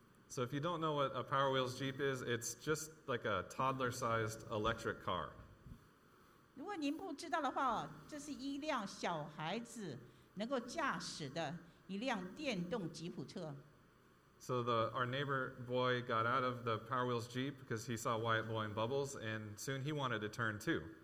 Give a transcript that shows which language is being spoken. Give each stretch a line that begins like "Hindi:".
English: So if you don't know what a Power Wheels Jeep is, it's just like a toddler-sized electric car.
Chinese: 如果您不知道的话, 这是一辆小孩子能够驾驶的一辆电动吉普车。
English: So our neighbor boy got out of the Power Wheels Jeep because he saw Wyatt blowing bubbles, and soon he wanted to turn too.